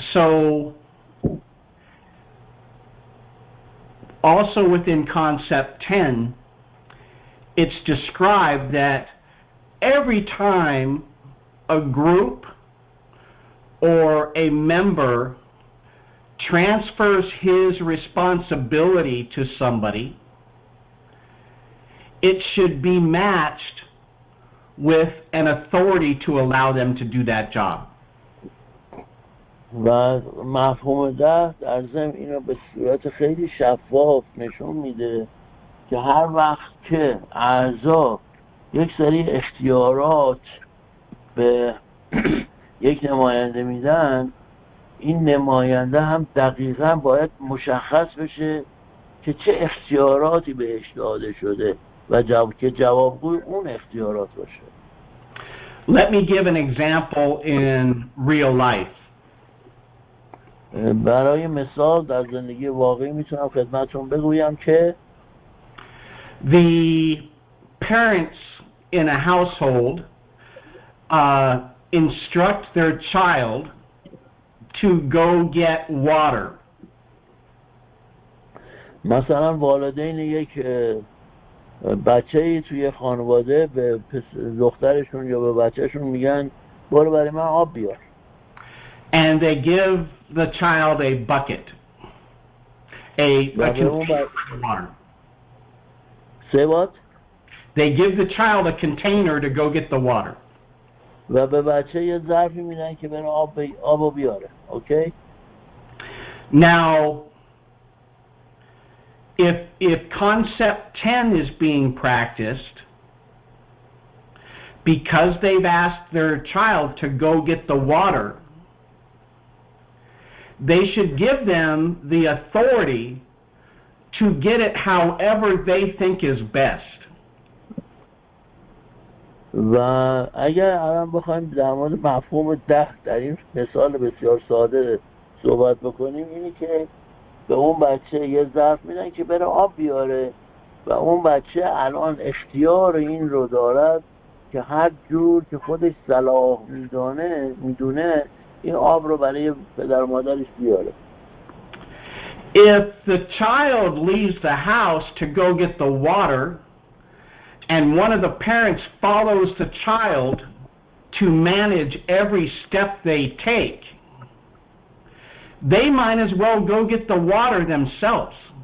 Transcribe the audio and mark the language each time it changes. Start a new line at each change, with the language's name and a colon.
English: So, also within concept 10, it's described that every time a group or a member transfers his responsibility to somebody, it should be matched with an authority to allow them to do that job.
Persian: و مفهوم ده در ضمن اینو به صورت خیلی شفاف نشون میده که هر وقت که اعضا یک سری اختیارات به یک نماینده میدن، این نماینده هم دقیقا باید مشخص بشه که چه اختیاراتی بهش داده شده و که جوابگوی اون اختیارات باشه.
English: Let me give an example in real life.
Persian: برای مثال در زندگی واقعی میتونم خدمتتون بگویم که
English: the parents in a household instruct their child to go get water.
Persian: مثلا والدین یک بچه‌ای توی خانواده به دخترشون یا به بچه‌شون میگن برو برای من آب بیار.
English: And they give the child a bucket, a container of water. Say what? They give the child a container to go get the water.
Persian: و به بچه یه ظرفی میدن که بره آب بیاره.
English: Okay? Now, if concept 10 is being practiced, because they've asked their child to go get the water, they should give them the authority to get it however they think is best.
Persian: و اگر الان بخوایم در مورد مفهوم ده در این مثال بسیار ساده صحبت بکنیم، اینی که به اون بچه یه ظرف میدن که بره آب بیاره و اون بچه الان اختیار این رو دارد که هر جور که خودش صلاح میدونه این آب رو برای پدر مادرش بیاره.
English: If the child leaves the house to go get the water and one of the parents follows the child to manage every step they take, they might as well go get the water themselves.